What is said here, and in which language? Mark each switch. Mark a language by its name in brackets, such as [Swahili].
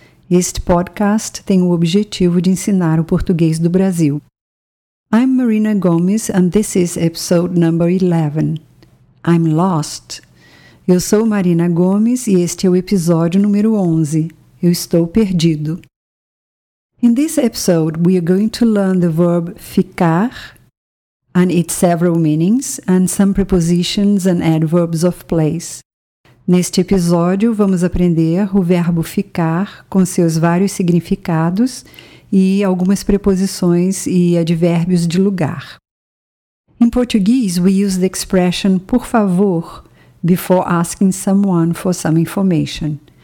[Portuguese] Este podcast tem o objetivo de ensinar o português do Brasil. [English] I'm Marina Gomes and this is episode number 11. I'm lost. [Portuguese] Eu sou Marina Gomes e este é o episódio número 11. Eu estou perdido. [English] In this episode, we are going to learn the verb ficar and its several meanings and some prepositions and adverbs of place. [Portuguese] Neste episódio, vamos aprender o verbo ficar com seus vários significados e algumas preposições e advérbios de lugar. [English] In português, we use the expression por favor before asking someone for some information.